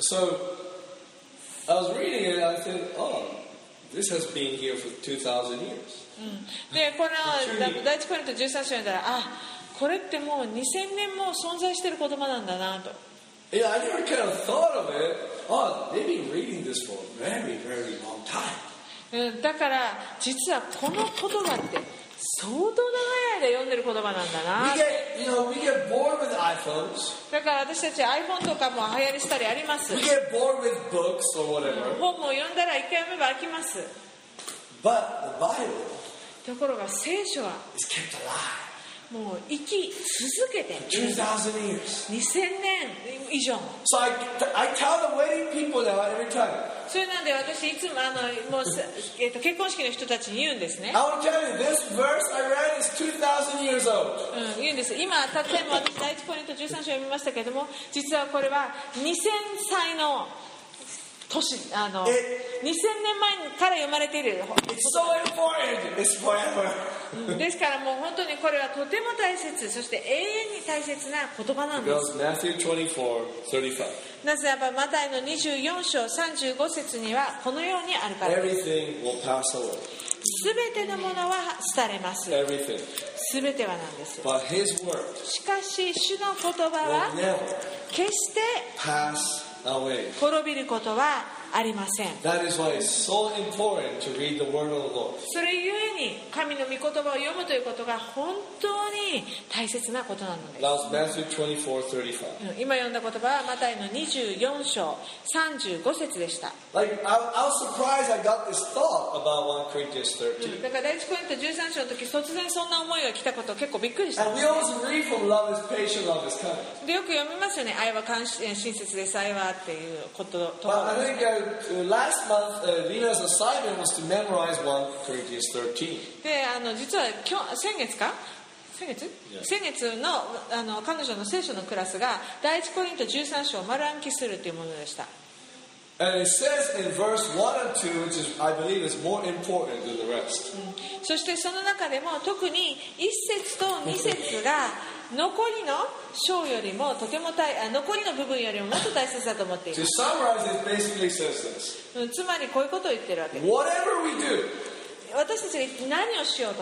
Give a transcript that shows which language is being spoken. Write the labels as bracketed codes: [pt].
[en] So I was reading it, I think, oh. This has been here for 2,000 years. [ja] で、この第一コリント13章を読んだら、あ、これってもう2000年も存在している言葉なんだなと。 [en] Yeah, I never kind of thought of it. Oh, they've been reading this for a very, very long time. [ja] だから、実はこの言葉って相当長い間読んでる言葉なんだな。 [en] We get bored with iPhones. [ja] だから私たち iPhone とかも流行りしたりあります。 [en] We get bored with books or whatever. [ja] 本も読んだら一回読めば飽きます。 [en] But the Bible. [ja] ところが聖書は。 [en] Is kept alive. [ja] もう生き続けて。 [en] 2000 years. [ja] 2000年以上。 [en] So I tell the wedding people that every time. [ja] それなんで私いつ も, もう結婚式の人たちに言うんですね。 [en] I will tell you, this verse I read is 2,000 years old. [ja] 言うんです。今たっても私第一コリント13章を読みましたけれども、実はこれは2000歳の年2000年前から読まれている。 [en] It's so important. It's forever. [ja] ですからもう本当にこれはとても大切、そして永遠に大切な言葉なんです。 [en] Matthew 24:35. [ja] なぜならばマタイの24章35節にはこのようにあるからすべてのものは廃れます。すべてはなんです。 [en] But his word [ja] しかし主の言葉は決して [en] pass away. [ja] 滅びることはありません。 [en] That is why it's so important to read the word of the Lord. [ja] それゆえに神の御言葉を読むということが本当に大切なことなのです。 [en] That's Matthew 24:35. [ja] 今読んだ言葉はマタイの24章35節でした。 [en] Like, I was surprised I got this thought about 1 Corinthians 13. [ja] だから第一コリント13章の時突然そんな思いが来たこと結構びっくりした。 [en] And we always read from love is patient, love is kind. [ja] でよく読みますよね。愛は親切です。愛はっていうこと。 [en] But I think last month, Lena's assignment was to memorize 1 Corinthians 13. [ja] で、実は先月の彼女の聖書のクラスが第一コリント13章を丸暗記するというものでした。 [en] And it says in verse 1 and 2, which is, I believe is more important than the rest. [ja] そしてその中でも特に1節と2節が残りの章よりもとても大あ残りの部分よりももっと大切だと思っています。 [en] To summarize, it basically says this. [ja] つまりこういうことを言ってるわけです。 [en] Whatever we do, [ja] 私たちが何をしようと